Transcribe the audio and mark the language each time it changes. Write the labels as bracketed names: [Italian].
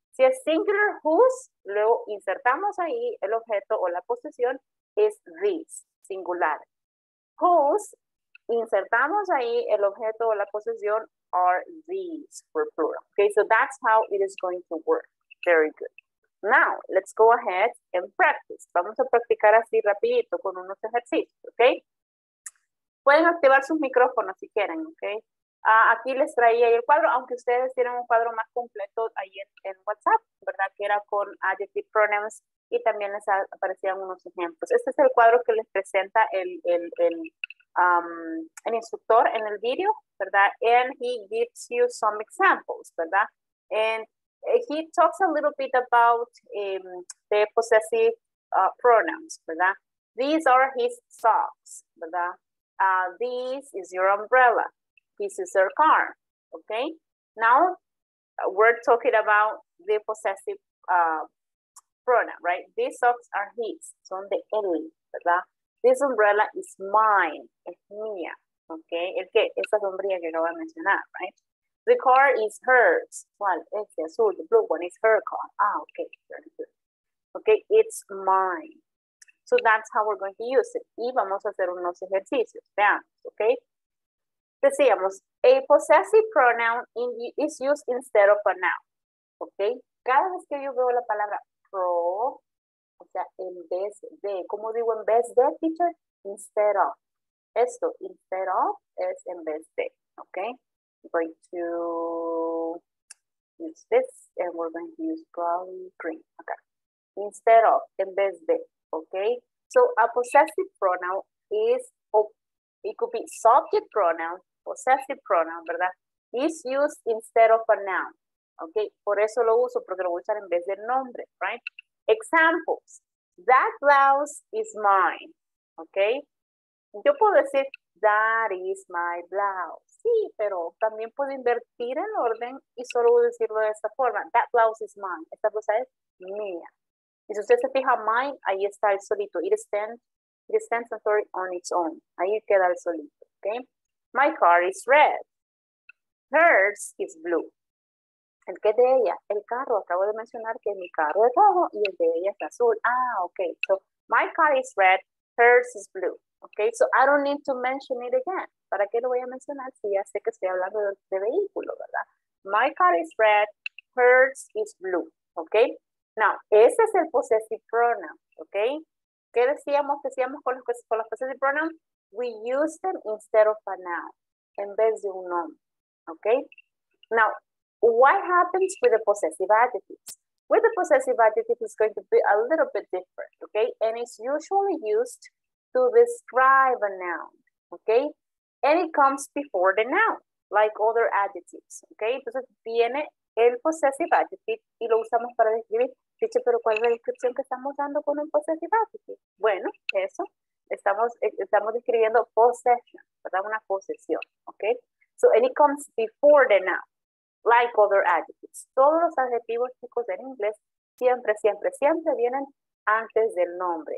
[Spanish] Si es singular, whose, luego insertamos ahí el objeto o la posesión, [English] is this, [Spanish] singular. Whose, insertamos ahí el objeto o la posesión, [English] are these, for plural. Okay, so that's how it is going to work. Very good. Now, let's go ahead and practice. [Spanish] Vamos a practicar así rapidito con unos ejercicios, okay? Pueden activar sus micrófonos si quieren, okay? Aquí les traía el cuadro, aunque ustedes tienen un cuadro más completo ahí en WhatsApp, ¿verdad? Que era con adjective pronouns y también les aparecían unos ejemplos. Este es el cuadro que les presenta el instructor en el video, ¿verdad? [English] And he gives you some examples, ¿verdad? And he talks a little bit about the possessive pronouns, ¿verdad? These are his socks, ¿verdad? This is your umbrella. This is her car, okay? Now, we're talking about the possessive pronoun, right? These socks are his, [Spanish] son de él, [English] ¿verdad? This umbrella is mine, [Spanish] es mía, Ok, es que esa sombrilla que acabo de mencionar, right? [English] The car is hers. [Spanish] ¿Cuál? Este azul, [English] the blue one, is her car. Ah, ok, very good. Ok, it's mine. So that's how we're going to use it. [Spanish] Y vamos a hacer unos ejercicios. Veamos, [English] ok. [Spanish] Decíamos, [English] a possessive pronoun is used instead of a noun. [Spanish] Ok, cada vez que yo veo la palabra pro, o sea, en vez de, ¿cómo digo en vez de, teacher? [English] Instead of. [Spanish] Esto, instead of, es en vez de, ¿ok? [English] Going to use this, and we're going to use probably green, ¿ok? Instead of, [Spanish] en vez de, [English] ¿ok? So, a possessive pronoun is, it could be subject pronoun, possessive pronoun, ¿verdad? Is used instead of a noun, ¿ok? [Spanish] Por eso lo uso, porque lo voy a usar en vez del nombre, right? [English] Examples, that blouse is mine, [Spanish] ¿ok? Yo puedo decir, [English] that is my blouse. [Spanish] Sí, pero también puedo invertir el orden y solo decirlo de esta forma. [English] That blouse is mine. [Spanish] Esta blusa es mía. Y si usted se fija, mine, ahí está el solito. [English] It stands on its own. [Spanish] Ahí queda el solito. [English] Okay? My car is red. Hers is blue. [Spanish] ¿El qué de ella? El carro. Acabo de mencionar que mi carro es rojo y el de ella es azul. [English] Ah, ok. So, my car is red. Hers is blue. Okay, so I don't need to mention it again. [Spanish] ¿Para qué lo voy a mencionar si ya sé que estoy hablando de vehículo, verdad? [English] My car is red, hers is blue. Okay, now, [Spanish] ese es el [English] possessive pronoun. [Spanish] Okay, ¿qué decíamos? Decíamos con los possessive pronouns, [English] we use them instead of a noun, [Spanish] en vez de un nombre. [English] Okay, now, what happens with the possessive adjectives? With the possessive adjective, it's going to be a little bit different. Okay, and it's usually used to describe a noun, okay? And it comes before the noun, like other adjectives, okay? [Spanish] Entonces viene el possessive adjective y lo usamos para describir. Dice, pero ¿cuál es la descripción que estamos dando con un possessive adjective? Bueno, eso, estamos describiendo possession, ¿verdad? Una posesión, okay? [English] So, and it comes before the noun, like other adjectives. [Spanish] Todos los adjetivos, chicos, en inglés, siempre, siempre, siempre vienen antes del nombre.